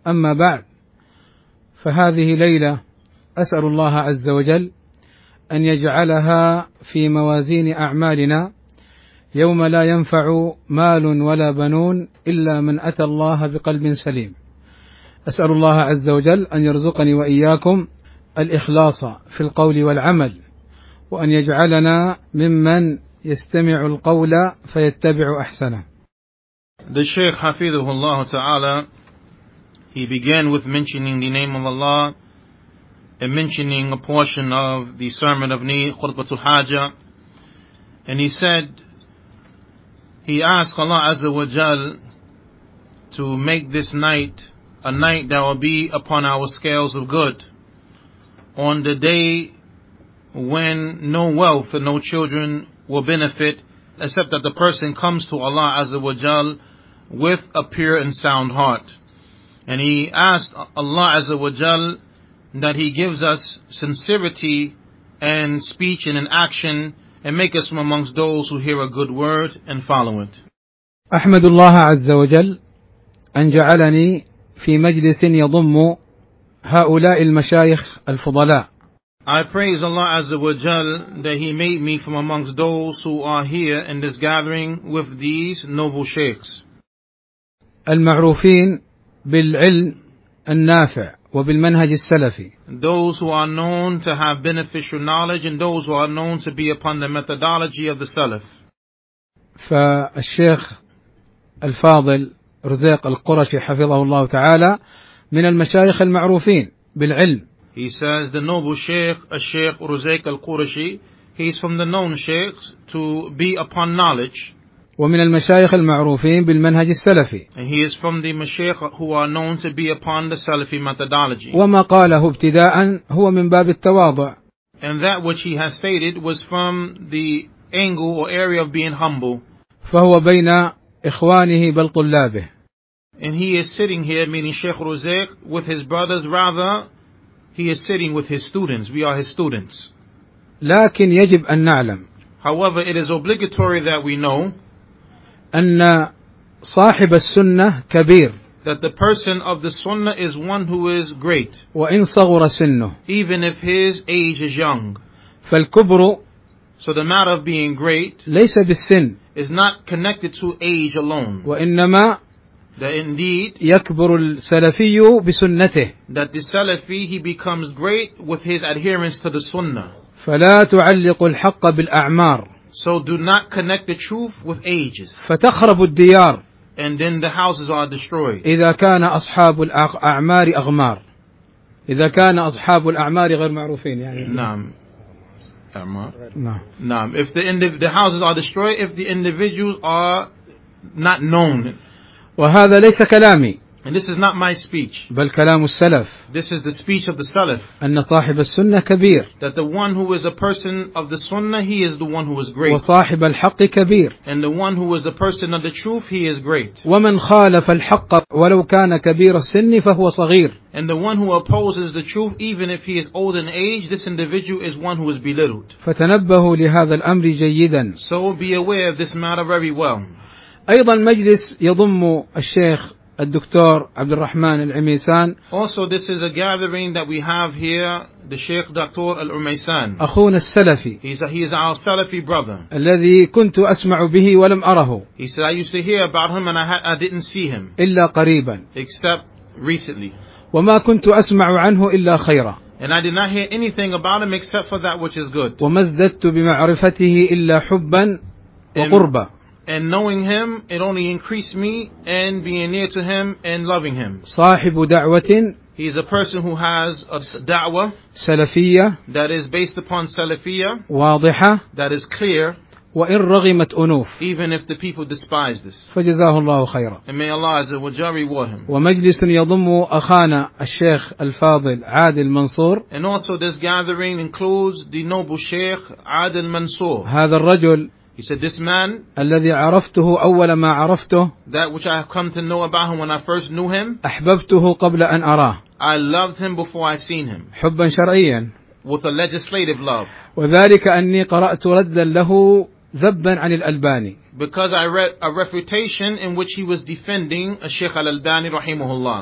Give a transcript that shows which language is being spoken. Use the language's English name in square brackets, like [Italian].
[Arabic] أما بعد، فهذه ليلة أسأل الله عز وجل أن يجعلها في موازين أعمالنا يوم لا ينفع مال ولا بنون إلا من أتى الله بقلب سليم. أسأل الله عز وجل أن يرزقني وإياكم الإخلاص في القول والعمل، وأن يجعلنا ممن يستمع القول فيتبع أحسنه. [English] The Shaykh [Arabic] حفظه الله تعالى, [English] he began with mentioning the name of Allah and mentioning a portion of the sermon of Ni Khutbatul Haja, and he said, he asked Allah Azza wa Jal to make this night a night that will be upon our scales of good, on the day when no wealth and no children will benefit, except that the person comes to Allah Azza wa Jal with a pure and sound heart. And he asked Allah Azza wa Jal that he gives us sincerity and speech and an action, and make us from amongst those who hear a good word and follow it. [Arabic] أحمد الله عز وجل أن جعلني في مجلس يضم هؤلاء المشايخ الفضلاء. [English] I praise Allah Azza wa Jal that he made me from amongst those who are here in this gathering with these noble sheikhs. [Arabic] المعروفين بالعلم النافع وبالمنهج السلفي. [English] Those who are known to have beneficial knowledge and those who are known to be upon the methodology of the Salaf. [Arabic] فالشيخ الفاضل رزاق القرشي حفظه الله تعالى من المشايخ المعروفين بالعلم. [English] He says the noble Sheikh, Sheikh Ruzayk al-Qurashi, he is from the known Sheikhs to be upon knowledge. [Arabic] ومن المشايخ المعروفين بالمنهج السلفي. [English] And he is from the Mashaykh who are known to be upon the Salafi methodology. [Arabic] وما قاله ابتداء هو من باب التواضع. [English] And that which he has stated was from the angle or area of being humble. [Arabic] فهو بين إخوانه بل طلابه. [English] And he is sitting here, meaning Sheikh Ruzayk, with his brothers, rather he is sitting with his students. We are his students. [Arabic] لكن يجب أن نعلم. [English] However, it is obligatory that we know [Arabic] أن صاحب السنة كبير. [English] That the person of the Sunnah is one who is great. [Arabic] وإن صغر سنه. [English] Even if his age is young. [Arabic] فالكبر. [English] So the matter of being great [Arabic] ليس بالسن. [English] Is not connected to age alone. [Arabic] وإنما [English] that indeed [Arabic] يكبر السلفي بسنته. [English] That the Salafi, he becomes great with his adherence to the Sunnah. [Arabic] فلا تعلق الحق بالأعمار. [English] So do not connect the truth with ages. [Arabic] فتخرب الديار. [English] And then the houses are destroyed. [Arabic] إذا كان أصحاب الأعمار أغمار. إذا كان أصحاب الأعمار غير معروفين يعني. نعم. أعمار. نعم. [English] If the houses are destroyed, if the individuals are not known. [Arabic] وهذا ليس كلامي. [English] And this is not my speech. [Arabic] بل كلام السلف. [English] This is the speech of the Salaf. [Arabic] أن صاحب السنة كبير. [English] That the one who is a person of the Sunnah, he is the one who is great. [Arabic] وصاحب الحق كبير. [English] And the one who is the person of the truth, he is great. [Arabic] ومن خالف الحق ولو كان كبير السن فهو صغير. [English] And the one who opposes the truth, even if he is old in age, this individual is one who is belittled. [Arabic] فتنبهوا لهذا الأمر جيدا. [English] So be aware of this matter very well. [Arabic] أيضا مجلس يضم الشيخ الدكتور عبد الرحمن العميسان. [English] Also, this is a gathering that we have here, the Sheikh Dr. Al-Umaysan. [Arabic] أخونا السلفي. [English] He is our Salafi brother. [Arabic] الذي كنت أسمع به ولم أره. [English] He said, I used to hear about him and I didn't see him. [Arabic] إلا قريبا. [English] Except recently. [Arabic] وما كنت أسمع عنه إلا خيرا. [English] And I did not hear anything about him except for that which is good. [Arabic] وما ازددت بمعرفته إلا حبا وقربا. [English] And knowing him, it only increased me and being near to him and loving him. [Arabic] صاحب دعوة. [English] He is a person who has a da'wa [Arabic] سلفية. [English] That is based upon salafiyya. [Arabic] واضحة. [English] That is clear. [Arabic] وإن رغمت أنوف. [English] Even if the people despise this. [Arabic] فجزاه الله خيرا. [English] And may Allah Azza wa Jalla reward him. [Arabic] ومجلس يضم أخانا الشيخ الفاضل عادل منصور. [English] And also this gathering includes the noble Sheikh عادل منصور. [Arabic] هذا الرجل. [English] He said, "This man, [Arabic] الذي عرفته أول ما عرفته, [English] that which I have come to know about him when I first knew him, [Arabic] أحببته قبل أن أراه. [English] I loved him before I seen him. [Arabic] حبا شرعيا. [English] With a legislative love. [Arabic] وذلك أني قرأت ردا له ذبا عن الألباني. [English] Because I read a refutation in which he was defending a Sheikh al-Albani [Arabic] رحمه الله.